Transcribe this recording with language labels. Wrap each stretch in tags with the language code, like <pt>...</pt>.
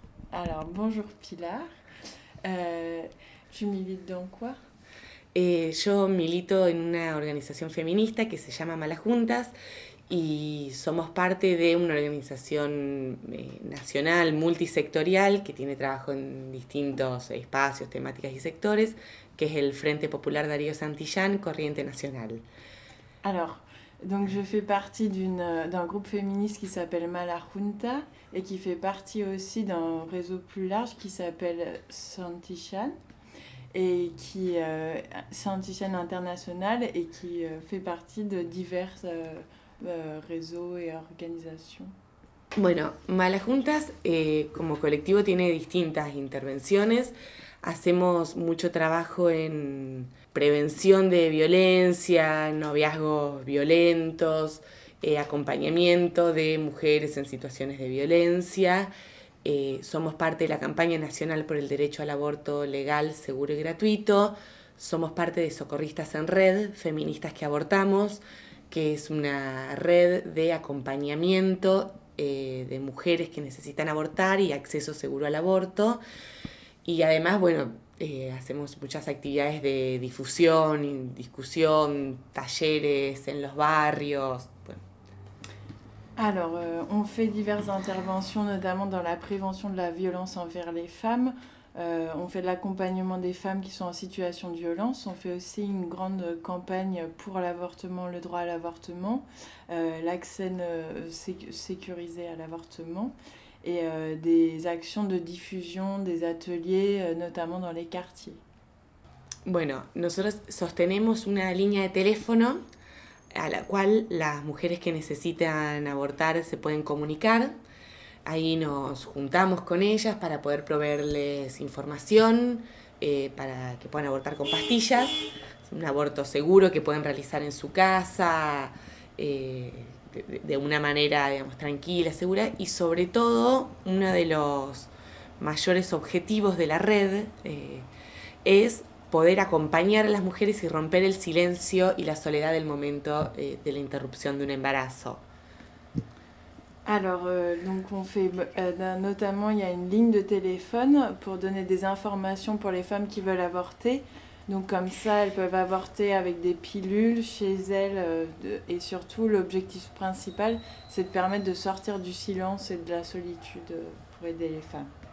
<fr>Alors, bonjour Pilar, tu milites dans quoi?</fr> <es>Yo milito en una organización feminista que se llama Malas Juntas y somos parte de una organización nacional multisectorial que tiene trabajo en distintos espacios, temáticas y sectores, que es el Frente Popular Darío Santillán, Corriente Nacional.</es> <fr>Alors, donc je fais partie d'un groupe féministe qui s'appelle Mala Junta et qui fait partie aussi d'un réseau plus large qui s'appelle Santillán et qui Santillán International et qui fait partie de divers réseaux et organisations.</fr> <es>Bueno, Malas Juntas como colectivo tiene distintas intervenciones. Hacemos mucho trabajo en prevención de violencia, noviazgos violentos, acompañamiento de mujeres en situaciones de violencia. Somos parte de la campaña nacional por el derecho al aborto legal, seguro y gratuito. Somos parte de Socorristas en Red, Feministas que Abortamos, que es una red de acompañamiento de mujeres que necesitan abortar y acceso seguro al aborto. Y además, bueno, hacemos muchas actividades de difusión, discusión, talleres en los barrios. Bueno.</es> <fr>Alors, on fait diverses interventions, notamment dans la prévention de la violence envers les femmes. On fait de l'accompagnement des femmes qui sont en situation de violence. On fait aussi une grande campagne pour l'avortement, le droit à l'avortement, l'accès sécurisé à l'avortement et des actions de diffusion, des ateliers, notamment dans les quartiers.</fr> <es>Bueno, nosotros sostenemos una línea de teléfono a la cual las mujeres que necesitan abortar se pueden comunicar. Ahí nos juntamos con ellas para poder proveerles información, para que puedan abortar con pastillas, un aborto seguro que pueden realizar en su casa, de una manera, digamos, tranquila, segura. Y sobre todo, uno de los mayores objetivos de la red es poder acompañar a las mujeres y romper el silencio y la soledad del momento de la interrupción de un embarazo.</es> <fr>Alors, donc on fait notamment, il y a une ligne de téléphone pour donner des informations pour les femmes qui veulent avorter. Donc comme ça, elles peuvent avorter avec des pilules chez elles. Et surtout, l'objectif principal, c'est de permettre de sortir du silence et de la solitude pour aider les femmes.</fr>